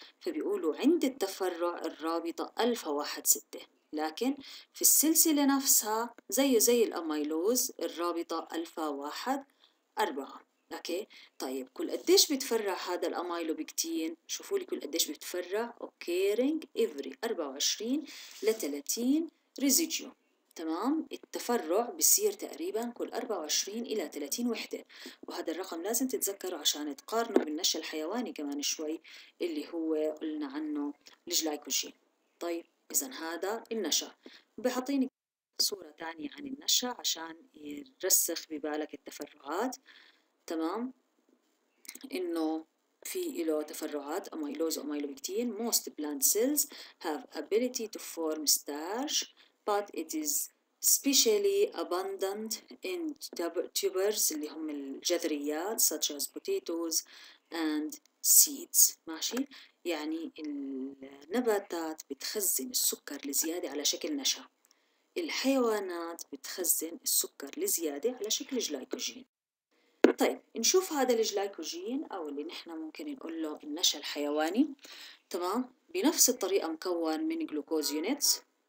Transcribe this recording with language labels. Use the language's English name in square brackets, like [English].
[Arabic] فبيقولوا عند التفرع الرابطة ألفا واحد ستة، لكن في السلسلة نفسها زي الأميلوز الرابطة ألفا واحد أربعة. أوكي طيب، كل قديش بيتفرع هذا الأميلوبكتين؟ شوفوا لي كل قديش بيتفرع. [English] occurring every 24 ل 30 residue، تمام. [Arabic] التفرع بيصير تقريبا كل 24 إلى 30 وحدة، وهذا الرقم لازم تتذكره عشان تقارنه بالنشا الحيواني كمان شوي اللي هو قلنا عنه الجلايكوجين. طيب إذا هذا النشا، بحطيني صورة تانية عن النشا عشان يرسخ ببالك التفرعات، تمام، إنه في له تفرعات أميلوز وأميلوبكتين. [English] most plant cells have ability to form starch but it is specially abundant in tubers [Arabic] اللي هم الجذريات [English] such as potatoes and seeds. [Arabic] ماشي، يعني النباتات بتخزن السكر لزيادة على شكل نشا، الحيوانات بتخزن السكر لزيادة على شكل جلايكوجين. طيب نشوف هذا الجلايكوجين أو اللي نحن ممكن نقول له النشا الحيواني، تمام، بنفس الطريقة مكون من جلوكوز يونيتس.